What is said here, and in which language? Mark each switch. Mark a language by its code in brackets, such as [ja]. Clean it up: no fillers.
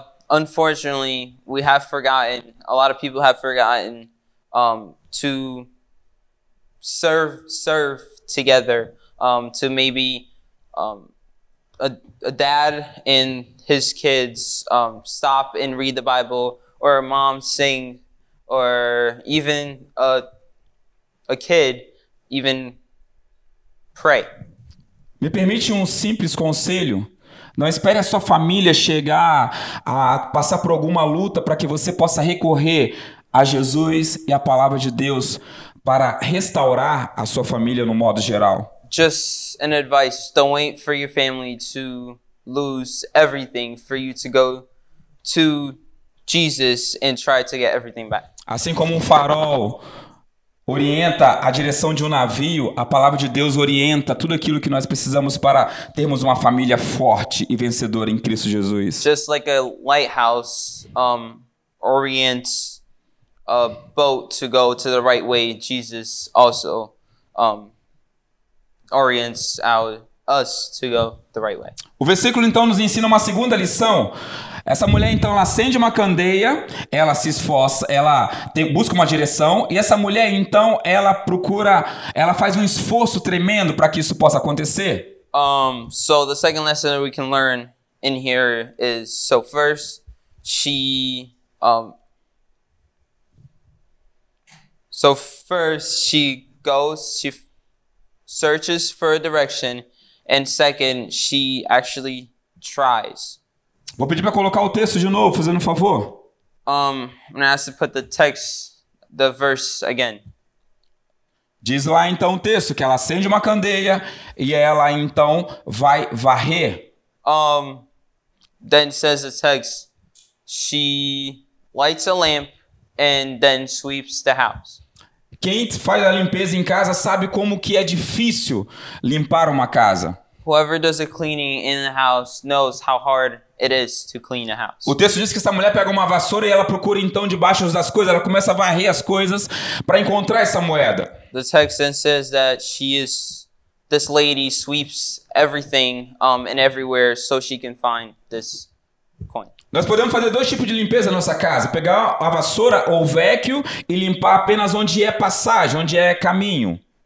[en] Unfortunately, we have forgotten, a lot of people have forgotten to serve together, to maybe a dad and his kids stop and read the Bible, or a mom sing, or even a kid even pray. [pt] Me permite um simples conselho. Não espere a sua família chegar a passar por alguma luta para que você possa recorrer a Jesus e a palavra de Deus para restaurar a sua família no modo geral. [en] Just an advice. Don't wait for your family to lose everything for you to go to Jesus and try to get everything back. [pt] Assim como um farol orienta a direção de um navio, a palavra de Deus orienta tudo aquilo que nós precisamos para termos uma família forte e vencedora em Cristo Jesus. [en] Just like a lighthouse orients a boat to go to the right way, Jesus also orients us to go the right way. [pt] O versículo então nos ensina uma segunda lição. Essa mulher, então, ela acende uma candeia, ela se esforça, ela busca uma direção, e essa mulher, então, ela procura, ela faz um esforço tremendo para que isso possa acontecer. [en] So, the second lesson that we can learn in here is, so first, she, so first, she goes, she searches for a direction, and second, she actually tries. [pt] Vou pedir para colocar o texto de novo, fazendo um favor. [en] I'm going to ask to put the text, the verse again. [pt] Diz lá então o texto, que ela acende uma candeia e ela então vai varrer. [en] Then says the text, she lights a lamp and then sweeps the house. [pt] Quem faz a limpeza em casa sabe como que é difícil limpar uma casa. [en] Whoever does the cleaning in the house knows how hard it is to clean a house. [pt] O texto diz que essa mulher pega uma vassoura e ela procura então debaixo das coisas, ela começa a varrer as coisas para encontrar essa moeda. [en] The text then says that this lady sweeps everything and everywhere so she can find this coin. [pt] Nós podemos fazer dois tipos de limpeza na nossa casa, pegar a vassoura ou o vecchio e limpar apenas onde é passagem, onde é caminho.